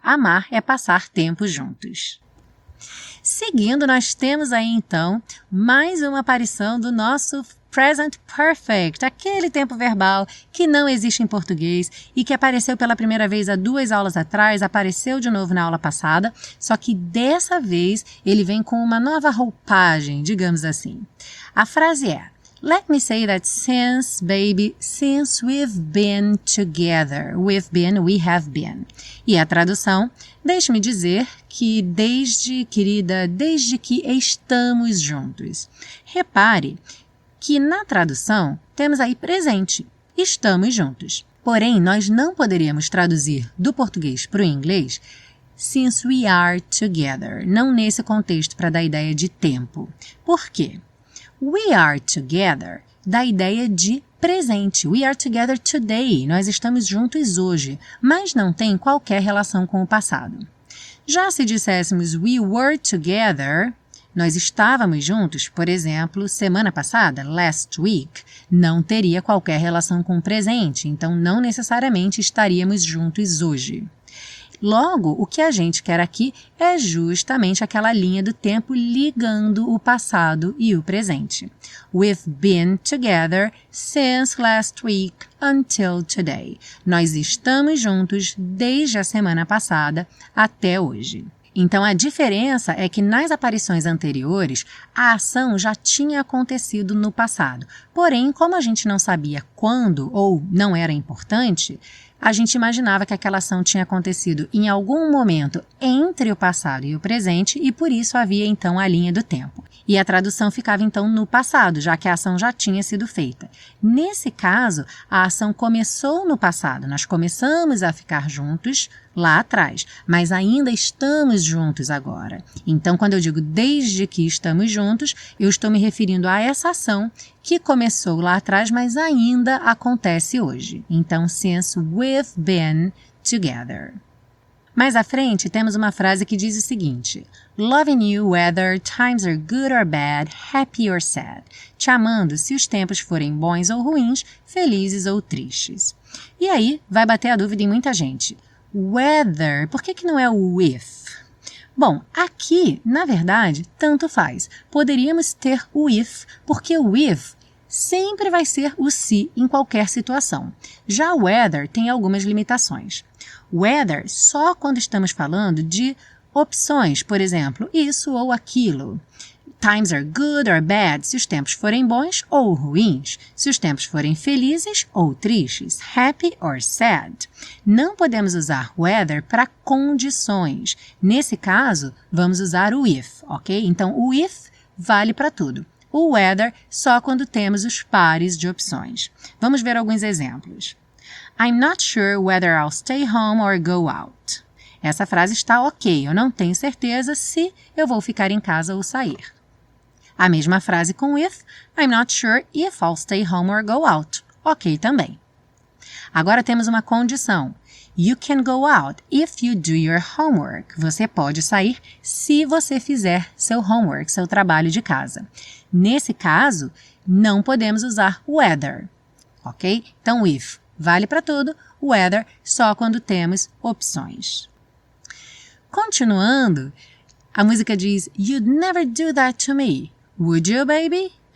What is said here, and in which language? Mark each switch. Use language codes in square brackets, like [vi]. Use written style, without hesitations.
[pt] Amar é passar tempo juntos. Seguindo, nós temos aí então mais uma aparição do nosso Present Perfect, aquele tempo verbal que não existe em português e que apareceu pela primeira vez há 2 aulas atrás, apareceu de novo na aula passada, só que dessa vez ele vem com uma nova roupagem, digamos assim. A frase é, [en] let me say that since, baby, since we've been together, we've been, we have been. [pt] E a tradução, deixe-me dizer que desde, querida, desde que estamos juntos. Repare que na tradução temos aí presente, estamos juntos. Porém, nós não poderíamos traduzir do português para o inglês [en] since we are together, [pt] não nesse contexto para dar ideia de tempo. Por quê? [en] We are together [pt] dá ideia de presente. [en] We are together today, [pt] nós estamos juntos hoje, mas não tem qualquer relação com o passado. Já se disséssemos [en] we were together, [pt] nós estávamos juntos, por exemplo, semana passada, [en] last week, [pt] não teria qualquer relação com o presente, então não necessariamente estaríamos juntos hoje. Logo, o que a gente quer aqui é justamente aquela linha do tempo ligando o passado e o presente. [en] We've been together since last week until today. [pt] Nós estamos juntos desde a semana passada até hoje. Então, a diferença é que nas aparições anteriores, a ação já tinha acontecido no passado. Porém, como a gente não sabia quando ou não era importante, a gente imaginava que aquela ação tinha acontecido em algum momento entre o passado e o presente e por isso havia então a linha do tempo. E a tradução ficava então no passado, já que a ação já tinha sido feita. Nesse caso, a ação começou no passado, nós começamos a ficar juntos lá atrás, mas ainda estamos juntos agora. Então, quando eu digo desde que estamos juntos, eu estou me referindo a essa ação que começou lá atrás, mas ainda acontece hoje. [en] Então, since we've been together. [pt] Mais à frente, temos uma frase que diz o seguinte, [en] loving you whether times are good or bad, happy or sad. [pt] Te amando se os tempos forem bons ou ruins, felizes ou tristes. E aí, vai bater a dúvida em muita gente. Whether, por que não é o with? Bom, aqui, na verdade, tanto faz. Poderíamos ter o if, porque o if sempre vai ser o se em qualquer situação. Já o whether tem algumas limitações. Whether, só quando estamos falando de opções, por exemplo, isso ou aquilo. [en] Times are good or bad, [pt] se os tempos forem bons ou ruins, se os tempos forem felizes ou tristes, [en] happy or sad. [pt] Não podemos usar whether para condições. Nesse caso, vamos usar o if, ok? Então, o if vale para tudo. O whether, só quando temos os pares de opções. Vamos ver alguns exemplos. [en] I'm not sure whether I'll stay home or go out. [pt] Essa frase está ok, eu não tenho certeza se eu vou ficar em casa ou sair. A mesma frase com if, [en] I'm not sure if I'll stay home or go out. [pt] Ok também. Agora temos uma condição. [en] You can go out if you do your homework. [pt] Você pode sair se você fizer seu homework, seu trabalho de casa. Nesse caso, não podemos usar whether. Ok? Então, if vale para tudo, whether só quando temos opções. Continuando, a música diz [en] You'd never do that to me. Would you, baby?